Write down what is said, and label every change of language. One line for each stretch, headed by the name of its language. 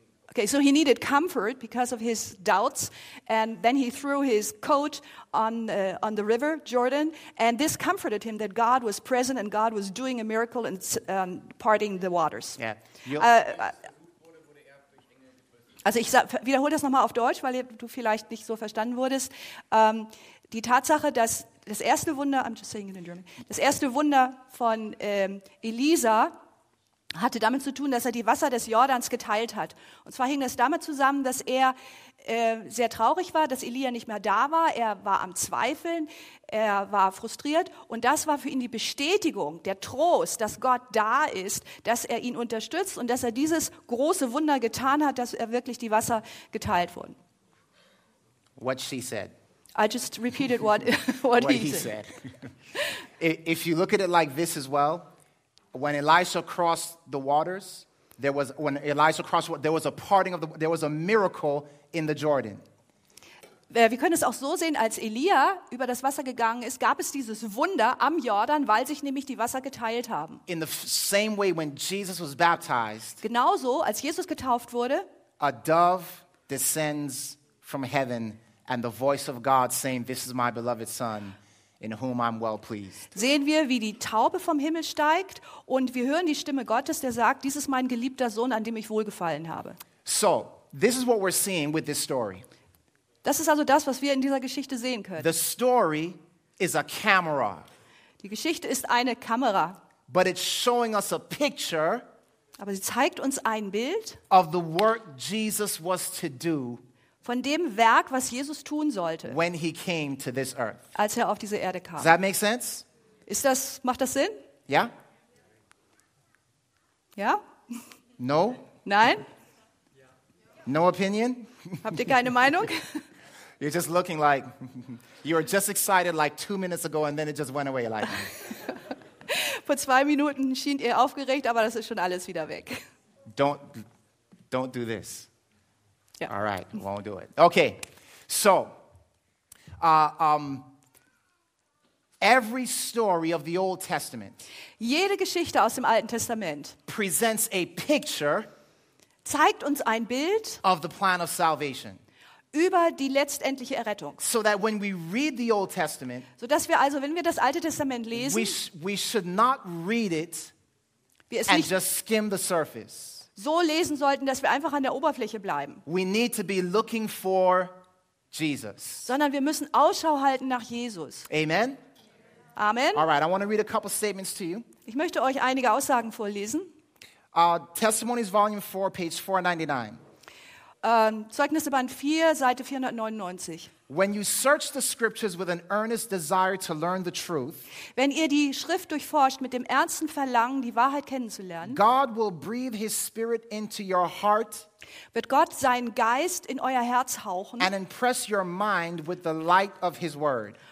English: Okay, so he needed comfort because of his doubts, and then he threw his coat on the river Jordan, and this comforted him that God was present and God was doing a miracle and parting the waters. Yeah.
German: Also ich wiederhole das nochmal auf Deutsch, weil du vielleicht nicht so verstanden wurdest. Die Tatsache, dass das erste Wunder,
English: I'm just saying it in German,
German: das erste Wunder von Elisa hatte damit zu tun, dass er die Wasser des Jordans geteilt hat. Und zwar hing es damit zusammen, dass er sehr traurig war, dass Elia nicht mehr da war. Er war am Zweifeln, er war frustriert. Und das war für ihn die Bestätigung, der Trost, dass Gott da ist, dass er ihn unterstützt und dass er dieses große Wunder getan hat, dass er wirklich die Wasser geteilt wurden.
English: What she said. I just repeated what he said. If you look at it like this as well, when Elisha crossed the waters, there was a miracle in the Jordan.
German: Wir können es auch so sehen, als Elia über das Wasser gegangen ist, gab es dieses Wunder am Jordan, weil sich nämlich die Wasser geteilt haben.
English: In the same way when Jesus was baptized,
German: genauso als Jesus getauft wurde,
English: a dove descends from heaven and the voice of God saying, "This is my beloved son, in whom I'm well pleased."
German: Sehen wir, wie die Taube vom Himmel steigt und wir hören die Stimme Gottes, der sagt, dies ist mein geliebter Sohn, an dem ich wohlgefallen habe.
English: So, this is what we're seeing with this story.
German: Das ist also das, was wir in dieser Geschichte sehen können.
English: The story is a camera.
German: Die Geschichte ist eine Kamera.
English: But it's showing us a picture.
German: Aber sie zeigt uns ein Bild
English: of the work Jesus was to do.
German: Von dem Werk, was Jesus tun sollte,
English: when he came to this earth.
German: Als er auf diese Erde kam.
English: Does that make sense?
German: Macht das Sinn? Ja? Ja?
English: No?
German: Nein?
English: No opinion?
German: Habt ihr keine Meinung?
English: You're just looking like, you were just excited like 2 minutes ago and then it just went away like.
German: Vor 2 Minuten schien ihr aufgeregt, aber das ist schon alles wieder weg.
English: Don't do this. Yeah. All right, won't do it. Okay, so every story of the Old Testament,
German: jede Geschichte aus dem Alten Testament,
English: presents a picture,
German: zeigt uns ein Bild,
English: of the plan of salvation,
German: über die letztendliche Errettung.
English: So that when we read the Old Testament,
German: so dass wir also, wenn wir das Alte Testament lesen,
English: we should not read it and just skim the surface.
German: So lesen sollten, dass wir einfach an der Oberfläche bleiben.
English: We need to be looking for Jesus.
German: Sondern wir müssen Ausschau halten nach Jesus.
English: Amen.
German: Amen.
English: All right, I want to read a couple statements to you.
German: Ich möchte euch einige Aussagen vorlesen.
English: Testimonies Volume 4, page 499.
German: Zeugnisse Band 4, Seite 499.
English: When you search the scriptures with an earnest desire to learn the truth,
German: wenn ihr die Schrift durchforscht mit dem ernsten Verlangen, die Wahrheit kennenzulernen,
English: God will breathe his spirit into your heart,
German: wird Gott seinen Geist in euer Herz hauchen,
English: and impress your mind with the light of his word,